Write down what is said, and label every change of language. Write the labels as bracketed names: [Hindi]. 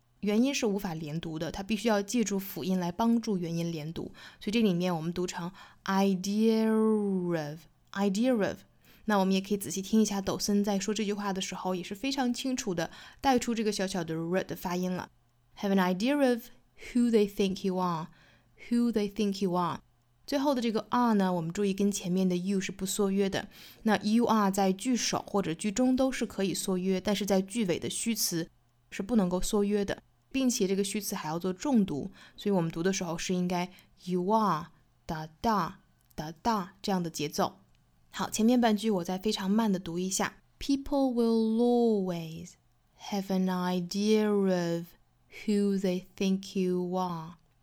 [Chinese] 元音是无法连读的，它必须要借助辅音来帮助元音连读，所以这里面我们读成 idea of, idea of。那我们也可以仔细听一下抖森在说这句话的时候也是非常清楚的带出这个小小的 r 的发音了。 [English] Have an idea of who they think you are, who they think you are。 [Chinese] 最后的这个 are 呢，我们注意跟前面的 you 是不缩约的，那 you are 在句首或者句中都是可以缩约，但是在句尾的虚词是不能够缩约的，并且这个虚词还要做重读，所以我们读的时候是应该 you are, da da, da da 这样的节奏。好，前面半句我再非常慢的读一下。 [English] People will always have an idea of who they think you are.